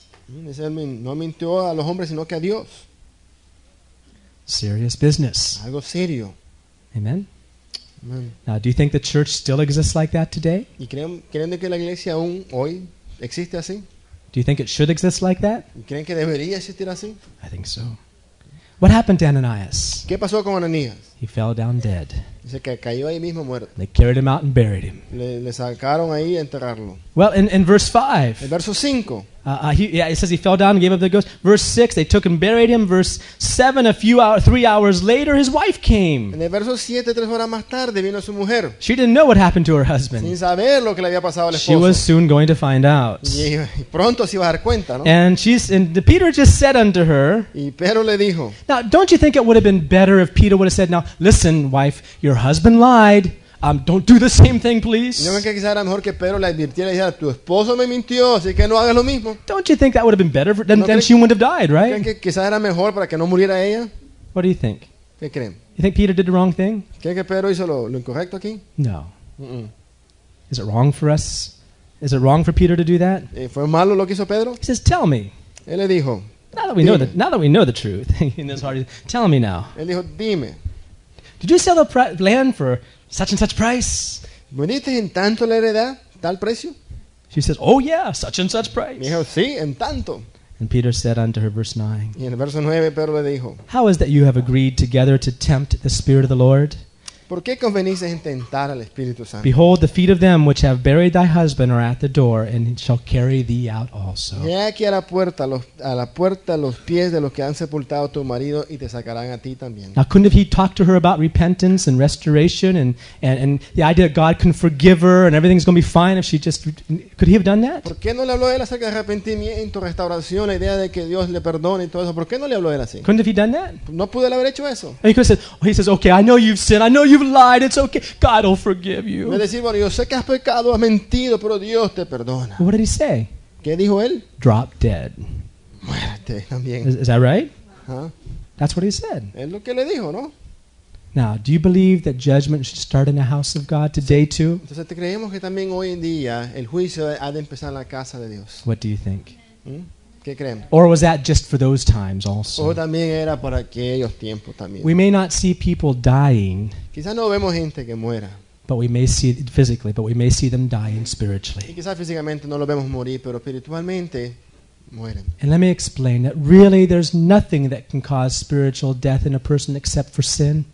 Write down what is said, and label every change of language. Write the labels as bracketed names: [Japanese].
[Spanish] No mintió a los hombres, sino que a Dios. [English] Serious business. [Spanish] Algo serio. [English] Amen. Now, do you think the church still exists like that today? [Spanish] ¿Y creen que la iglesia aún hoy existe así? [English] Do you think it should exist like that? [Spanish] ¿Y creen que debería existir así? [English] I think so. What happened to Ananias? [Spanish] ¿Qué pasó con Ananías? [English] He fell down dead. [Spanish] Dice que cayó ahí mismo muerto. [English] They carried him out and buried him. [Spanish] Le sacaron ahí a enterrarlo. [English] Well, in verse 5. [Spanish] El verso 5. [English] It says he fell down and gave up the ghost. Verse 6, they took and buried him. Verse 7, 3 hours later, his wife came. [Spanish] En el verso 7, 3 horas más tarde, vino su mujer. [English] She didn't know what happened to her husband. [Spanish] Sin saber lo que le había pasado al esposo. [English] She was soon going to find out. [Spanish] Y pronto se iba a dar cuenta, ¿no? [English] And Peter just said unto her, [Spanish] y Pedro le dijo, [English] now, don't you think it would have been better if Peter would have said, now, listen, wife, your husband lied. Don't do the same thing, please. Don't you think that would have been better? Then she wouldn't have died, right? What do you think? [Spanish] ¿Qué creen? [English] You think Peter did the wrong thing? [Spanish] ¿Creen que Pedro hizo lo incorrecto aquí? No. Mm-mm. [English] Is it wrong for us? Is it wrong for Peter to do that? [Spanish] ¿Fue malo lo que hizo Pedro? [English] He says, tell me. [Spanish] Él le dijo, [English] now that we know the truth, in this heart, tell me now. [Spanish] Él dijo, dime. [English] Did you sell the land for such and such price? [Spanish] ¿Veniste en tanto la heredad, tal precio? [English] She says, oh yeah, such and such price. [Spanish] Me dijo, sí, en tanto. [English] And Peter said unto her, verse 9. [Spanish] Y en el verso 9, Pedro le dijo, [English] how is that you have agreed together to tempt the Spirit of the Lord? [Spanish] ¿Por qué convenís en tentar al Espíritu Santo? [English] Behold, the feet of them which have buried thy husband are at the door, and shall carry thee out also. [Spanish] He aquí a la puerta los pies de los que han sepultado tu marido y te sacarán a ti también. [English] Now, couldn't he talk to her about repentance and restoration and the idea that God can forgive her and everything's going to be fine if she just... Could he have done that? [Spanish] ¿Por qué no le habló él acerca de arrepentimiento, restauración, la idea de que Dios le perdone y todo eso? ¿Por qué no le habló él así? [English] Couldn't he done that? [Spanish] ¿No pudo él haber hecho eso? [English] He could have said, oh, he says, okay, I know you've sinned, I know you've lied, it's okay, God will forgive you. [Spanish] Me decir, bueno, yo sé que has pecado, has mentido, pero Dios te perdona. [English] What did he say? [Spanish] ¿Qué dijo él? [English] Drop dead. [Spanish] Muérete también. [English] Is that right? Huh? That's what he said. [Spanish] Es lo que le dijo, ¿no? [English] Now, do you believe that judgment should start in the house of God today too? [Spanish] Entonces, ¿te creemos que también hoy en día el juicio ha de empezar en la casa de Dios? [English] What do you think? [Spanish] ¿Qué creen? [English] Or was that just for those times also? [Spanish] O también era por aquellos tiempos también. [English] We may not see people dying. [Spanish] Quizás no vemos gente que muera. [English] But we may see it physically, but we may see them dying spiritually. [Spanish] Y quizás físicamente no lo vemos morir, pero espiritualmente mueren. [English] And let me explain that really there's nothing that can cause spiritual death in a person except for sin.